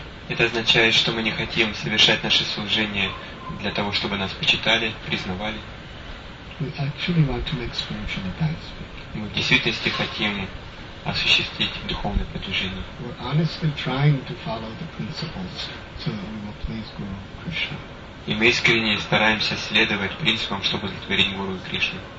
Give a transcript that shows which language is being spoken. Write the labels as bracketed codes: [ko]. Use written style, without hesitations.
[ru] Это означает, что мы не хотим совершать наше служение для того, чтобы нас почитали, признавали. [en] We actually want to make spiritual advancement. [ru] Мы в действительности хотим осуществить духовное продвижение. [en] We're honestly trying to follow the principles so that we will please Guru Krishna. [ru] И мы искренне стараемся следовать принципам, чтобы удовлетворить Гуру и Кришну.